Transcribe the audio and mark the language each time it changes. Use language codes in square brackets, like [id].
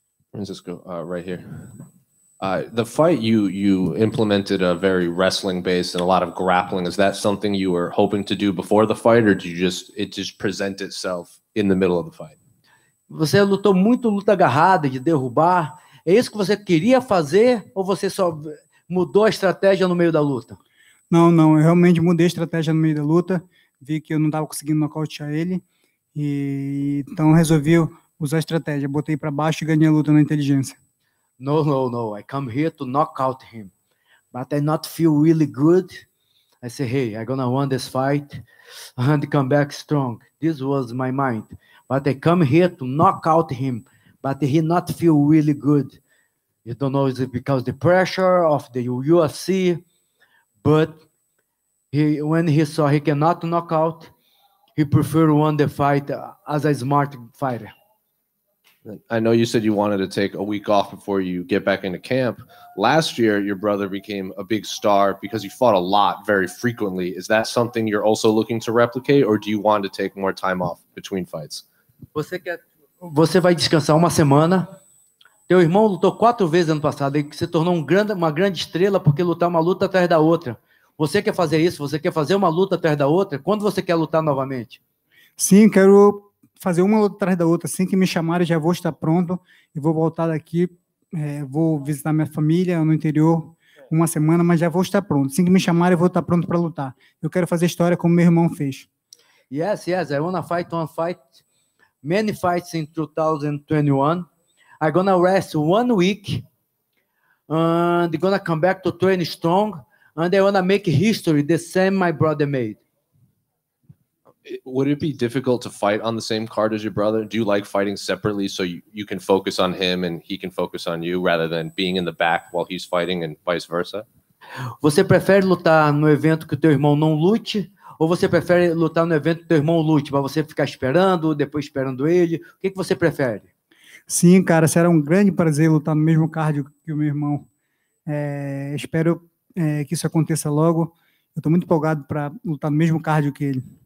[en] Francisco, right here. The fight, you implemented a very wrestling-based and a lot of grappling. Is that something you were hoping to do before the fight, or did it just present itself in the middle of the fight? [pt] Você lutou muito luta agarrada, de derrubar. É isso que você queria fazer ou você só mudou a estratégia no meio da luta? Não, não. Eu realmente mudei a estratégia no meio da luta. Vi que eu não estava conseguindo nocautear ele. E então resolvi usar a estratégia. Botei para baixo e ganhei a luta na inteligência. [en] No, no, no. I come here to knock out him. But I not feel really good. I say, hey, I'm gonna win this fight and come back strong. This was my mind. But I come here to knock out him. But he not feel really good. You don't know, is it because the pressure of the UFC? But he, when he saw he cannot knock out, he preferred won the fight as a smart fighter. I know you said you wanted to take a week off before you get back into camp. Last year, your brother became a big star because he fought a lot very frequently. Is that something you're also looking to replicate, or do you want to take more time off between fights? [pt] Você quer, você vai descansar uma semana. Teu irmão lutou 4 vezes ano passado e se tornou uma grande estrela porque lutar uma luta atrás da outra. Você quer fazer isso? Você quer fazer uma luta atrás da outra? Quando você quer lutar novamente? Sim, quero fazer uma luta atrás da outra. Assim que me chamarem, já vou estar pronto e vou voltar daqui. É, vou visitar minha família no interior uma semana, mas já vou estar pronto. Assim que me chamarem, eu vou estar pronto para lutar. Eu quero fazer história como meu irmão fez. [en] Yes, yes. I wanna fight one fight. Many fights in 2021. I'm gonna rest 1 week and gonna come back to train strong. And I wanna make history the same my brother made. Would it be difficult to fight on the same card as your brother? Do you like fighting separately so you can focus on him and he can focus on you rather than being in the back while he's fighting and vice versa? [pt] Você prefere lutar no evento que o teu irmão não lute ou você prefere lutar no evento que teu irmão lute para você ficar esperando, depois esperando ele? O que você prefere? Sim, cara, será um grande prazer lutar no mesmo card que o meu irmão. É, espero que isso aconteça logo. Eu estou muito empolgado para lutar no mesmo card que ele.